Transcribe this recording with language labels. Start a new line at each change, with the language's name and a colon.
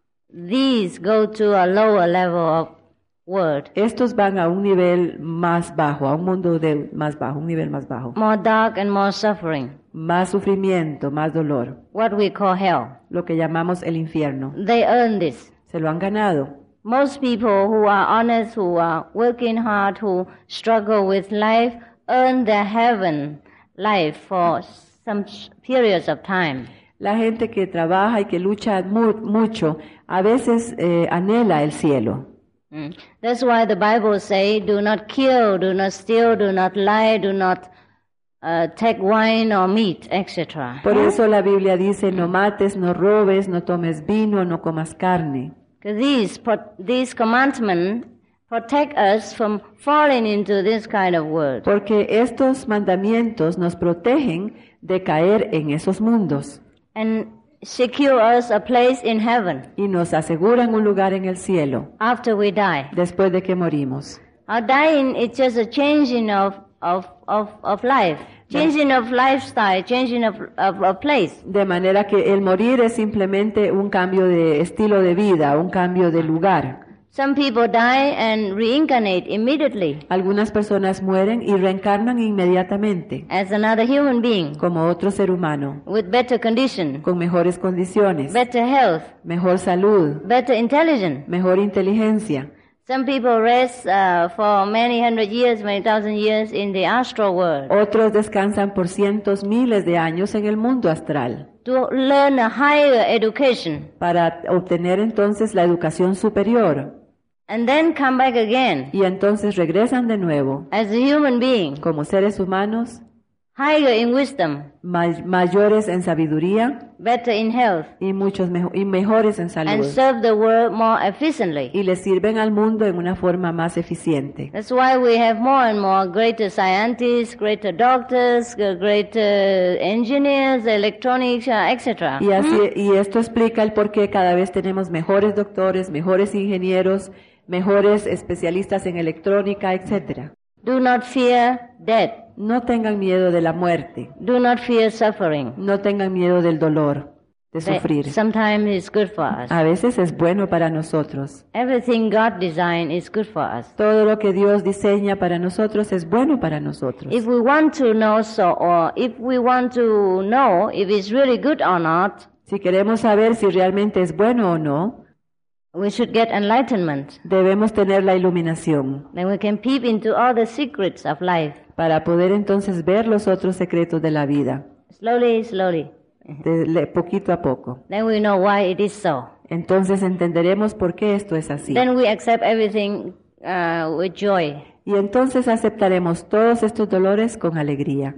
English: These go to a lower level of world.
Spanish: Estos van a un nivel más bajo, a un mundo de más bajo, un nivel más bajo.
English: More dark and more suffering.
Spanish: Más sufrimiento, más dolor.
English: What we call hell.
Spanish: Lo que llamamos el infierno.
English: They earn this.
Spanish: Se lo han ganado.
English: Most people who are honest, who are working hard, who struggle with life, earn their heaven life for some periods of time.
Spanish: La gente que trabaja y que lucha mucho, a veces anhela el cielo.
English: That's why the Bible say, do not kill, do not steal, do not lie, do not take wine or meat, etc.
Spanish: Por eso la Biblia dice, no mates, no robes, no tomes vino, no comas carne.
English: These commandments protect us from falling into this kind of world.
Spanish: Porque estos mandamientos nos protegen de caer en esos mundos.
English: And secure us a place in heaven.
Spanish: Y nos aseguran un lugar en el cielo.
English: After we die.
Spanish: Después de que morimos.
English: Our dying is just a changing of life. Changing of lifestyle, changing of place.
Spanish: De manera que el morir es simplemente un cambio de estilo de vida, un cambio de lugar.
English: Some people die and reincarnate immediately.
Spanish: Algunas personas mueren y reencarnan inmediatamente.
English: As another human being.
Spanish: Como otro ser humano.
English: With better condition.
Spanish: Con mejores condiciones.
English: Better health.
Spanish: Mejor salud.
English: Better intelligence.
Spanish: Mejor inteligencia.
English: Some people rest for many hundred years, many thousand years in the astral world.
Spanish: Otros descansan por cientos, miles de años en el mundo astral.
English: To learn a higher education.
Spanish: Para obtener entonces la educación superior.
English: And then come back again.
Spanish: Y entonces regresan de nuevo.
English: As a human being.
Spanish: Como seres humanos.
English: Higher in wisdom.
Spanish: Mayores en sabiduría.
English: Better in health.
Spanish: Y muchos mejores en salud.
English: And serve the world more efficiently.
Spanish: Y le sirven al mundo en una forma más eficiente.
English: That's why we have more and more greater scientists, greater doctors, greater engineers, electronics, etc.
Spanish: Y así, y esto explica el por qué cada vez tenemos mejores doctores, mejores ingenieros, mejores especialistas en electrónica, etc.
English: Do not fear death.
Spanish: No tengan miedo de la muerte.
English: Do not fear suffering.
Spanish: No tengan miedo del dolor, de sufrir.
English: Sometimes it's good for us.
Spanish: A veces es bueno para nosotros.
English: Everything God designed is good for us.
Spanish: Todo lo que Dios diseña para nosotros es bueno para nosotros.
English: If we want to know so, or if we want to know if it's really good or not,
Spanish: si queremos saber si realmente es bueno o no,
English: we should get enlightenment.
Spanish: Debemos tener la iluminación.
English: Then we can peep into all the secrets of life.
Spanish: Para poder entonces ver los otros secretos de la vida.
English: Slowly, slowly.
Spanish: Poquito a poco.
English: Then we know why it is so.
Spanish: Entonces entenderemos por qué esto es así.
English: Then we accept everything with joy.
Spanish: Y entonces aceptaremos todos estos dolores con alegría.